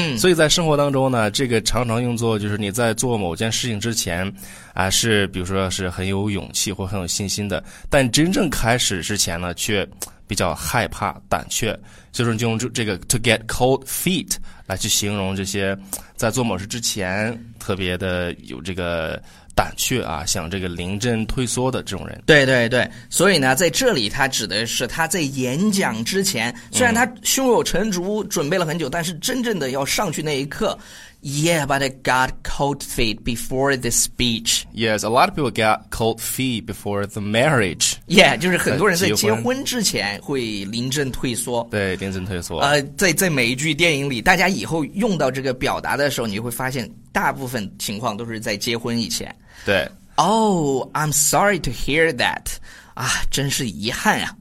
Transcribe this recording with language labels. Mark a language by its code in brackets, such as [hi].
[zh] 所以在生活当中呢，这个常常用作就是你在做某件事情之前啊，是比如说是很有勇气或很有信心的，但真正开始之前呢却比较害怕胆怯，所以说你就用这个 [en] to get cold feet [zh] 来去形容这些在做某事之前特别的有这个胆怯啊，像这个临阵退缩的这种人。对对对，所以呢在这里他指的是他在演讲之前虽然他胸有成竹准备了很久，但是真正的要上去那一刻， [en] Yeah, but I got cold feet before the speech. Yes, a lot of people got cold feet before the marriage. [zh] Yeah, 就是很多人在结婚之前会临阵退缩。对，临阵退缩。在每一句电影里大家以后用到这个表达的时候，你会发现大部分情况都是在结婚以前。对。 [en] Oh, I'm sorry to hear that. [zh] 啊，真是遗憾啊。